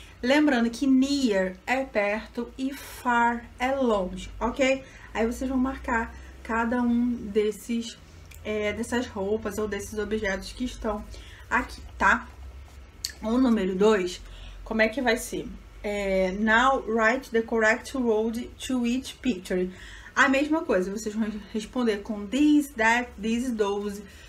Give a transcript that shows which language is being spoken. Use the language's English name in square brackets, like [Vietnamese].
[Portuguese] Lembrando que near é perto e far é longe, ok? Aí vocês vão marcar cada um desses, dessas roupas ou desses objetos que estão aqui, tá? O número 2, como é que vai ser? [English] Now write the correct word to each picture. [Portuguese] A mesma coisa, vocês vão responder com this, that, this, those.